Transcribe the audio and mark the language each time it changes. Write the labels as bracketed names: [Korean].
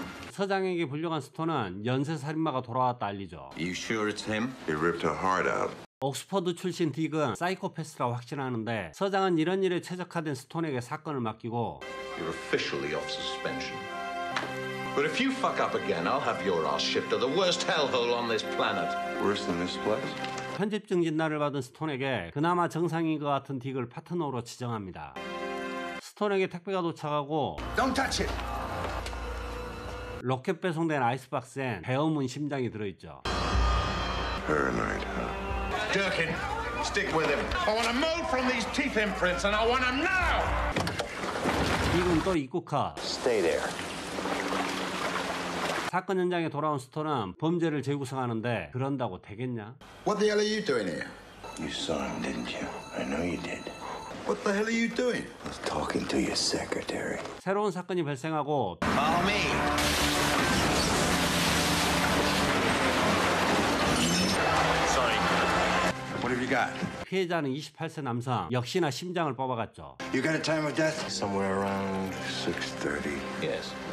[Korean] 서장에게 불려간 스톤은 연쇄 살인마가 돌아왔다 알리죠. [English] You sure it's him? He ripped her heart out. [Korean] 옥스퍼드 출신 딕은 사이코패스라 확신하는데 서장은 이런 일에 최적화된 스톤에게 사건을 맡기고 [English] You're officially off suspension. But if you fuck up again, I'll have your ass shipped to the worst hellhole on this planet. Worse than this place? [Korean] 편집 증진날을 받은 스톤에게 그나마 정상인 것 같은 딕을 파트너로 지정합니다. 스톤에게 택배가 도착하고 [English] Don't touch it! [Korean] 로켓 배송된 아이스박스엔 배어문 심장이 들어있죠. [English] Paranoid, huh? Durkin, stick with him. I want a mold from these teeth imprints and I want him now! [Korean] 딕은 또 입구 컷. [English] Stay there. [Korean] 사건 현장에 돌아온 스톤은 범죄를 재구성하는데 그런다고 되겠냐? [English] What the hell are you doing here? You saw him, didn't you? I know you did. What the hell are you doing? I was talking to your secretary. [Korean] 새로운 사건이 발생하고 [English] Follow me. [Korean] 피해자는 28세 남성, 역시나 심장을 뽑아갔죠. [English] You got a time of death? Somewhere around 6:30. Yes.